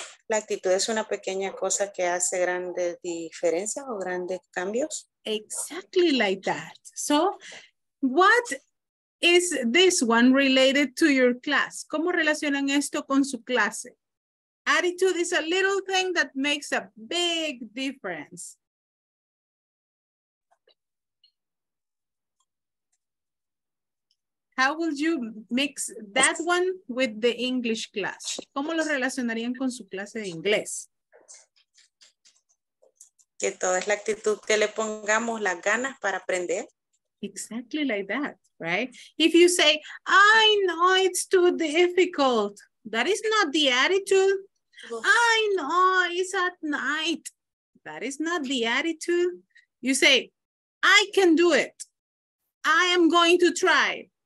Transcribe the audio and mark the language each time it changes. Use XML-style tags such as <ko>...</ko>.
<es>La actitud es una pequeña cosa que hace grandes diferencias o grandes cambios.</es> <en>Exactly like that. So, what is this one related to your class?</en> <es>¿Cómo relacionan esto con su clase?</es> <en>Attitude is a little thing that makes a big difference. How would you mix that one with the English class?</en> <es>¿Cómo lo relacionarían con su clase de inglés? Que toda es la actitud que le pongamos, las ganas para aprender.</es> <en>Exactly like that, right? If you say, I know it's too difficult, that is not the attitude. I know it's at night. That is not the attitude. You say, I can do it. I am going to try.</en>